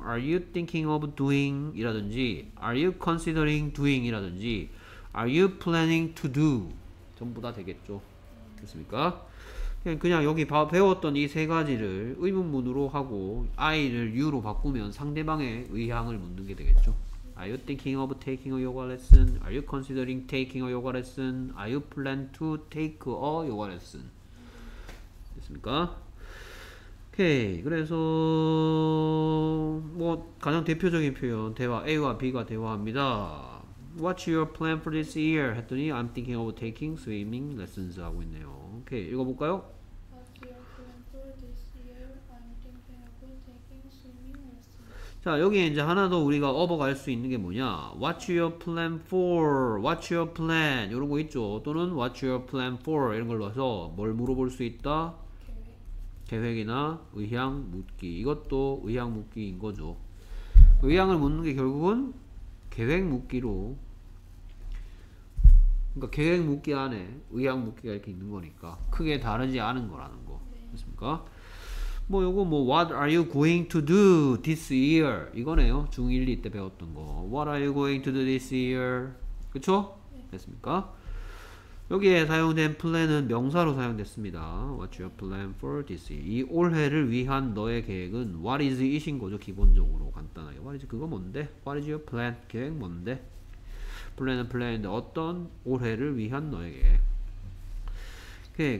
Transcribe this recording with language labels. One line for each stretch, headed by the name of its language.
English: Are you thinking of doing? 이라든지 Are you considering doing?
Korean: 이라든지 Are you planning to do? 전부 다 되겠죠. 됐습니까? 그냥 여기 배웠던 이세 가지를 의문문으로 하고 I를 U로 바꾸면 상대방의 의향을 묻는 게 되겠죠.
English: Are you thinking of taking a yoga lesson? Are you considering taking a yoga lesson? Are you plan to take a yoga lesson?
Korean: 됐습니까? 오케이. 그래서 뭐 가장 대표적인 표현 대화 A와 B가 대화합니다.
English: What's your plan for this year? 했더니 I'm thinking of taking swimming lessons 하고 있네요.
Korean: 오케이. 읽어볼까요?
English: What's your plan for this year? I'm thinking of taking swimming lessons.
Korean: 자, 여기에 이제 하나 더 우리가 업어갈 수 있는 게 뭐냐?
English: What's your plan for? What's your plan? 이런 거 있죠. 또는 What's your plan for?
Korean: 이런 걸 넣어서 뭘 물어볼 수 있다? 계획이나 의향 묻기. 이것도 의향 묻기인 거죠. 의향을 묻는 게 결국은 계획 묻기로. 그러니까 계획 묻기 안에 의향 묻기가 이렇게 있는 거니까 크게 다르지 않은 거라는 거. 됐습니까?
English: 뭐 요거 뭐 What are you going to do this year?
Korean: 이거네요. 중 1, 2때 배웠던 거.
English: What are you going to do this year?
Korean: 그쵸? 됐습니까? 여기에 사용된 plan은 명사로 사용됐습니다.
English: What's your plan for this year? 이 올해를 위한 너의 계획은 What is it 인 거죠.
Korean: 기본적으로 간단하게. What is 그거 뭔데? What is your plan? 계획 뭔데? plan은 plan인데 어떤 올해를 위한 너에게. 오케이.